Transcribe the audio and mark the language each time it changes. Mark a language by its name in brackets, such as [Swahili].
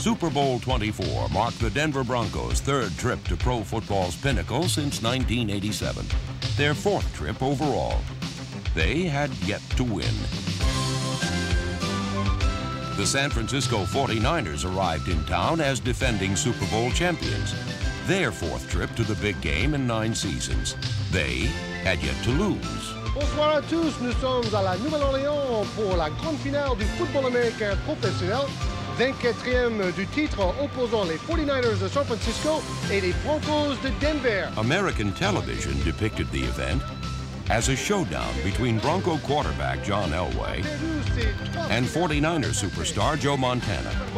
[English] Super Bowl 24 marked the Denver Broncos' third trip to pro football's pinnacle since 1987, their fourth trip overall. They had yet to win. The San Francisco 49ers arrived in town as defending Super Bowl champions, their fourth trip to the big game in nine seasons. They had yet to lose. [French] Bonsoir à tous, nous sommes à la Nouvelle-Orléans pour la grande finale du football américain professionnel. 24e du titre opposant les 49ers de San Francisco et les Broncos de Denver. [English] American television depicted the event as a showdown between Bronco quarterback John Elway and 49er superstar Joe Montana.